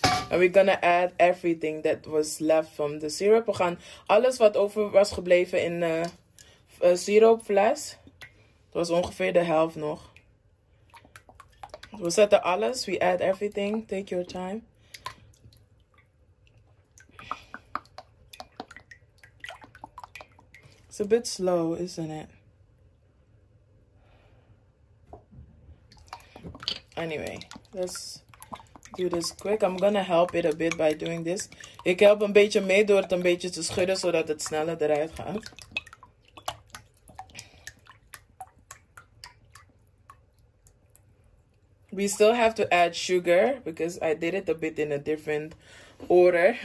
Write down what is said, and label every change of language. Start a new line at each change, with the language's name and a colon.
English: And we're gonna add everything that was left from the syrup.
Dutch: We gaan alles wat over was gebleven in de siroopfles. Het was ongeveer de helft nog. We zetten alles.
English: We add everything. Take your time. It's a bit slow, isn't it? Anyway, let's do this quick. I'm gonna help it a bit by doing this.
Dutch: Ik help een beetje mee door het een beetje te schudden, zodat het sneller eruit gaat.
English: We still have to add sugar, because I did it a bit in a different order.